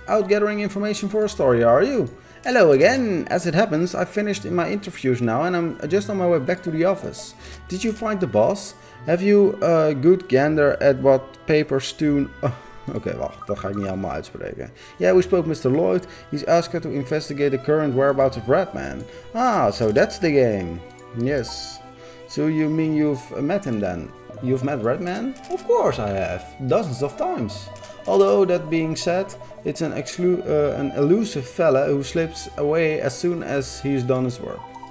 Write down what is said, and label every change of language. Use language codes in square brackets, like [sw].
[en] Out gathering information for a story, are you? Hello again. As it happens, I've finished in my interviews now and I'm just on my way back to the office. Did you find the boss? Have you a good gander at what paper Stoon... [nl] Okay, wacht, dat ga ik niet allemaal uitspreken. [en] Yeah, we spoke Mr. Lloyd. He's asked her to investigate the current whereabouts of Redman. Ah, so that's the game. Yes. So you mean you've met him then? You've met Redman? Of course I have. Dozens of times. Although, that being said, it's an elusive fella who slips away as soon as he's done his work.